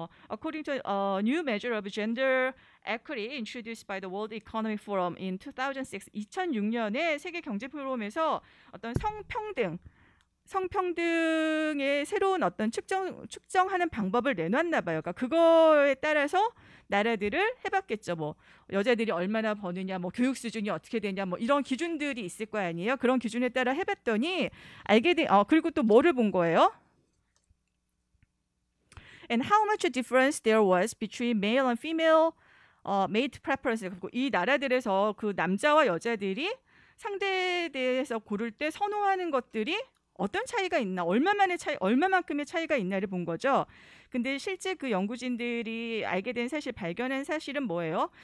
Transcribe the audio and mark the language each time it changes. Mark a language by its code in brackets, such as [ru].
[en] According to a new measure of gender equity introduced by the World Economic Forum in 2006, [ko] 2006년에 세계 경제 포럼에서 어떤 성평등의 새로운 어떤 측정하는 방법을 내놨나 봐요. 그러니까 그거에 따라서 나라들을 해봤겠죠. 뭐 여자들이 얼마나 버느냐, 뭐 교육 수준이 어떻게 되냐, 뭐 이런 기준들이 있을 거 아니에요. 그런 기준에 따라 해봤더니 그리고 또 뭐를 본 거예요? [en] And how much a difference there was between male and female [ko] 메이트 프레퍼런스 갖고 이 나라들에서 그 남자와 여자들이 상대에 대해서 고를 때 선호하는 것들이 어떤 차이가 있나, 얼마만의 차이, 얼마만큼의 차이가 있나를 본 거죠. 근데 실제 그 연구진들이 알게 된 사실, 발견한 사실은 뭐예요?